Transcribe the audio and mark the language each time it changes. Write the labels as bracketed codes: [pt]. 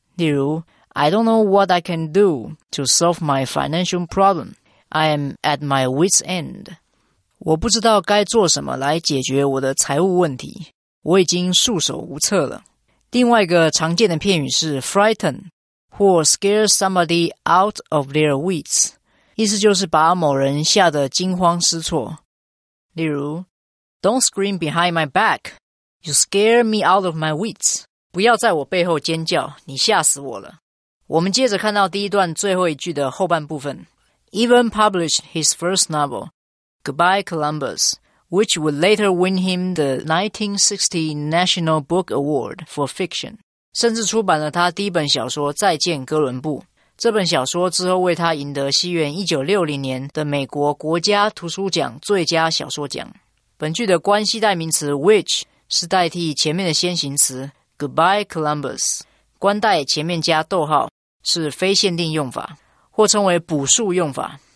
[en] 例如 I don't know what I can do to solve my financial problem. I am at my wit's end. [zh] 我不知道该做什么来解决我的财务问题，我已经束手无策了。另外一个常见的片语是 frighten 或 [en] scare somebody out of their wits， [zh] 意思就是把某人吓得惊慌失措。 [en] 例如 Don't scream behind my back, you scare me out of my wits. [zh] 不要在我背后尖叫，你吓死我了。我们接着看到第一段最后一句的后半部分。 [en] Even published his first novel, Goodbye Columbus, which would later win him the 1960 National Book Award for Fiction. [zh] 甚至出版了他第一本小说《再见哥伦布》。这本小说之后为他赢得西元1960年的美国国家图书奖最佳小说奖。本句的关系代名词 which 是代替前面的先行词 Goodbye Columbus， 关代前面加逗号，是非限定用法，或称为补述用法。